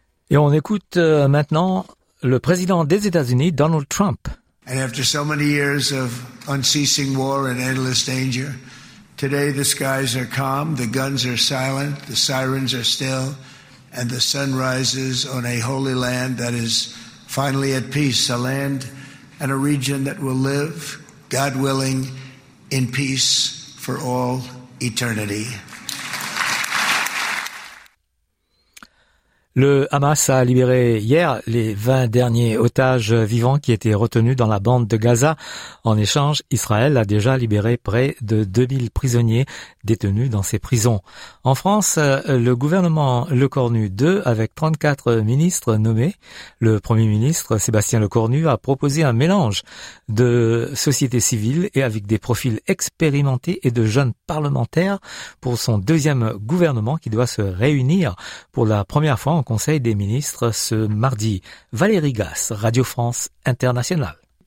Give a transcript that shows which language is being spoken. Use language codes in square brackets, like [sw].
[fr] Et on écoute maintenant le président des États-Unis, Donald Trump. [en] And after so many years of unceasing war and endless danger, today the skies are calm, the guns are silent, the sirens are still, and the sun rises on a holy land that is finally at peace, a land and a region that will live, God willing, in peace for all eternity. [fr] Le Hamas a libéré hier les 20 derniers otages vivants qui étaient retenus dans la bande de Gaza. En échange, Israël a déjà libéré près de 2000 prisonniers détenus dans ses prisons. En France, le gouvernement Le Cornu II, avec 34 ministres nommés, le premier ministre Sébastien Le Cornu a proposé un mélange de sociétés civiles et avec des profils expérimentés et de jeunes parlementaires pour son deuxième gouvernement qui doit se réunir pour la première fois en Conseil des ministres ce mardi. Valérie Gasse, Radio France Internationale.